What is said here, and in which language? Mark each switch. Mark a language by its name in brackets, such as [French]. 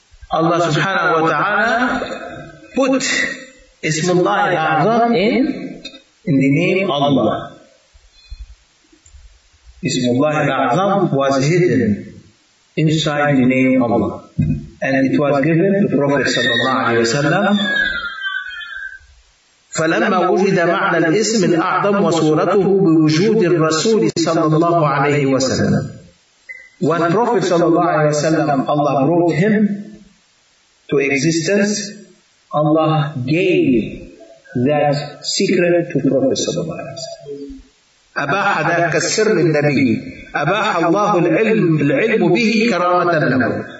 [English] Allah subhanahu wa ta'ala put Ismullah al-Azam in the name Allah. Ismullah al-Azam was hidden inside the name Allah. And it was given to Prophet sallallahu alayhi wa sallam. [Arabic] فَلَمَّا وُجِدَ مَعْنَى الْإِسْمِ الْأَعْظَمُ وَصُورَتُهُ بِوُجُودِ الرَّسُولِ sallallahu alayhi wa sallam. [English] When Prophet sallallahu alayhi wa sallam, Allah brought him to existence, Allah gave that secret to Prophet sallallahu alayhi wa sallam. [Arabic] أَبَاحَ ذَاكَ السِّرِّ النَّبِيِّ أَبَاحَ اللَّهُ الْعِلْمُ بِهِ كَرَامَةً لَهُ.